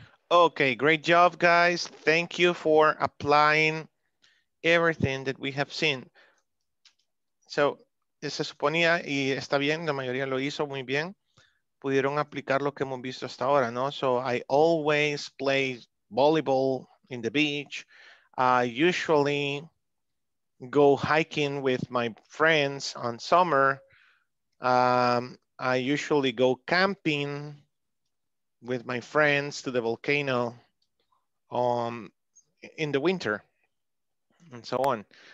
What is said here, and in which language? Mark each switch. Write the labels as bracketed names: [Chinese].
[English] Okay, great job, guys. Thank you for applying everything that we have seen. [Spanish] So, se suponía, y está bien, la mayoría lo hizo muy bien, pudieron aplicar lo que hemos visto hasta ahora, ¿no? [English] So, I always play volleyball in the beach. I usually go hiking with my friends on summer. I usually go camping with my friends to the volcano in the winter, and so on.